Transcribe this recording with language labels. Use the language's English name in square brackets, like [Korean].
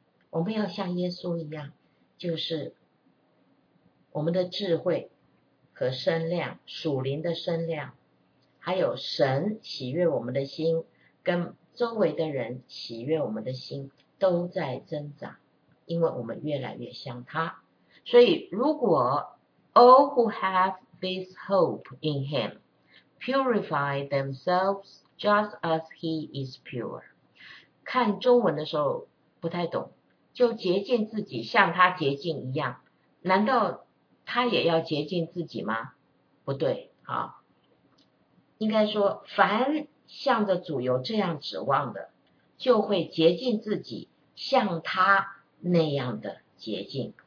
[Chinese] 我们要像耶稣一样，就是我们的智慧和身量，属灵的身量，还有神喜悦我们的心，跟周围的人喜悦我们的心，都在增长，因为我们越来越像他。所以如果 [English] All who have this hope in him purify themselves just as he is pure. [Chinese] 看中文的时候不太懂，就洁净自己像他洁净一样，难道他也要洁净自己吗？不对，好，应该说凡向着主有这样指望的，就会洁净自己像他那样的洁净。